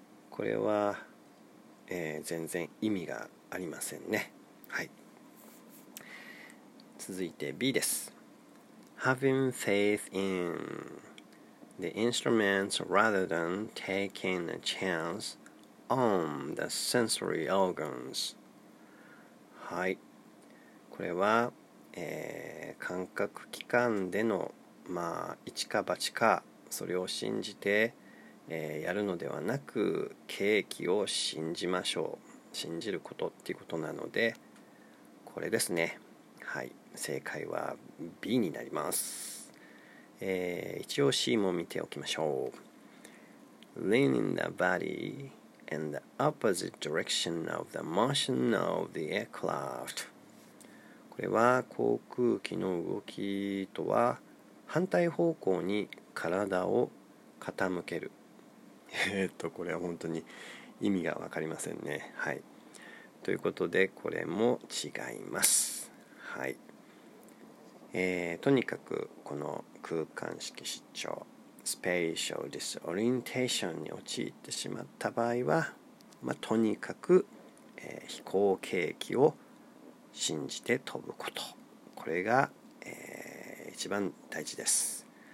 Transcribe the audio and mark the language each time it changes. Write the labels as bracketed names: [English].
[Japanese] これは、全然意味がありませんね。はい、続いて B です。 [English] Having faith in the instruments rather than taking a chance on the sensory organs。 [Japanese] はい、これは、感覚器官での、まあ、一か八かそれを信じて、やるのではなく計器を信じましょう、信じることっていうことなのでこれですね。はい、正解は B になります。一応 C も見ておきましょう。 [English] Leaning the bodyIn the opposite direction of the motion of the aircraft [Japanese] これは航空機の動きとは反対方向に体を傾ける。これは本当に意味が分かりませんね。はい、ということでこれも違います。はい、とにかくこの空間識失調スペイシャルディスオリエンテーションに陥ってしまった場合は、まあ、とにかく、飛行計器を信じて飛ぶこと、これが、一番大事です。